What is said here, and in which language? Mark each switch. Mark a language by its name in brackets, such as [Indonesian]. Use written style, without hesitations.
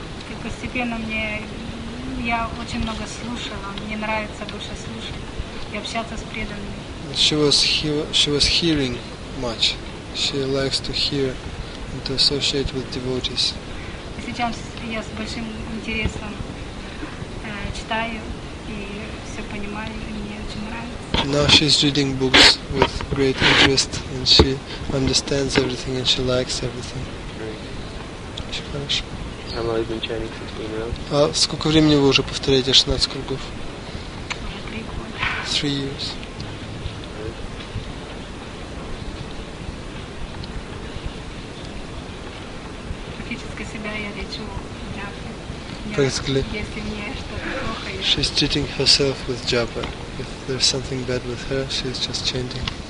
[Russian] И постепенно мне, я очень много слушала, мне нравится больше слушать и общаться с преданными. [English] She was hearing much. She likes to hear and to associate with devotees. [Russian] Сейчас я с большим интересом читаю и все понимаю, и мне очень нравится. [English] Now she's reading books with great interest and she understands everything and she likes everything. How long have you been chanting 16 rounds? [Russian] А сколько времени вы уже повторяете 16 кругов? Уже 3 года. [English] 3 years. [Russian] Фактически себя я лечу джапой. [English] Practically. [Russian] Если мне что-то плохо. [English] She's treating herself with japa. If there's something bad with her, she's just chanting.